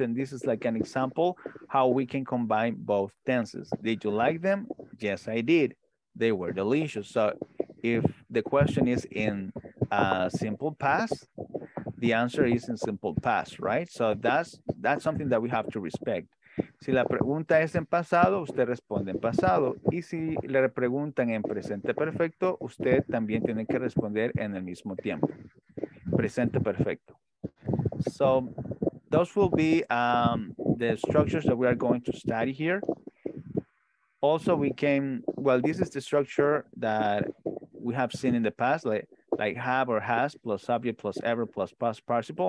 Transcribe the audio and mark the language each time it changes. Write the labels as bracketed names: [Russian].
[English] And this is like an example how we can combine both tenses. Did you like them? Yes, I did. They were delicious. So if the question is in a simple past, the answer is in simple past, right? So that's something that we have to respect. [Spanish] Si la pregunta es en pasado, usted responde en pasado. Y si le preguntan en presente perfecto, usted también tiene que responder en el mismo tiempo. Presente perfecto. [English] So those will be the structures that we are going to study here. Also, we came, well, this is the structure that we have seen in the past, like have or has plus subject plus ever plus past participle.